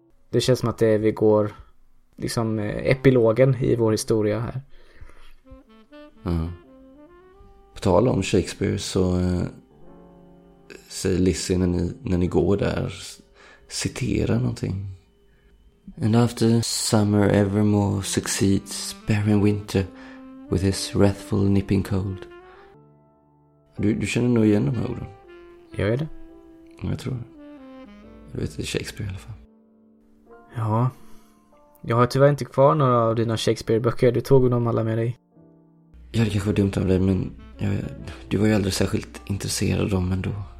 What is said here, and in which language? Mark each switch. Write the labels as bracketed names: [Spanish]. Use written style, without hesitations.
[Swedish] Det känns som att det är, vi går liksom epilogen i vår historia här. Mm. På tal om Shakespeare så säger Lissi när ni går där, citera någonting. [English] And after summer evermore succeeds barren winter with his wrathful nipping cold. [Swedish] Du känner nog igen de här orden. Gör jag det? Jag tror det. Du vet, det är Shakespeare i alla fall. Ja. Jag har tyvärr inte kvar några av dina Shakespeare-böcker. Du tog dem alla med dig. Ja, det kanske var dumt av dig, men du var ju aldrig särskilt intresserad av dem ändå.